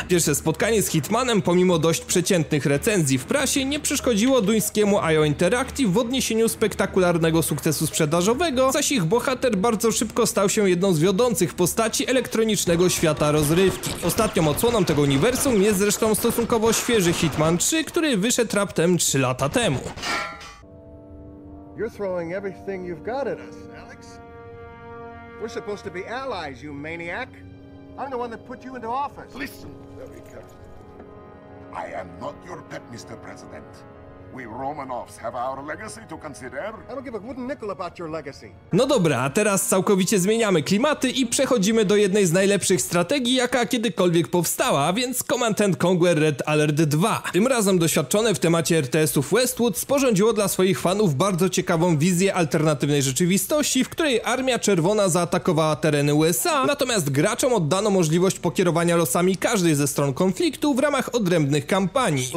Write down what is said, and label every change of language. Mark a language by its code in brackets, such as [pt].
[pl] Pierwsze spotkanie z Hitmanem, pomimo dość przeciętnych recenzji w prasie, nie przeszkodziło duńskiemu IO Interactive w odniesieniu spektakularnego sukcesu sprzedażowego, zaś ich bohater bardzo szybko stał się jedną z wiodących postaci elektronicznego świata rozrywki. Ostatnią odsłoną tego uniwersum jest zresztą stosunkowo świeży Hitman 3, który wyszedł raptem 3 lata temu. [en] You're throwing everything you've got at us, Alex. We're supposed to be allies, you maniac. I'm the one that put you into office. Listen, very carefully. I am not your pet, Mr. President. We Romanovs have our legacy to consider. I don't give a wooden nickel about your legacy. [pl] No dobra, a teraz całkowicie zmieniamy klimaty i przechodzimy do jednej z najlepszych strategii, jaka kiedykolwiek powstała, a więc Command & Conquer Red Alert 2. Tym razem doświadczone w temacie RTS-ów Westwood sporządziło dla swoich fanów bardzo ciekawą wizję alternatywnej rzeczywistości, w której Armia Czerwona zaatakowała tereny USA, natomiast graczom oddano możliwość pokierowania losami każdej ze stron konfliktu w ramach odrębnych kampanii.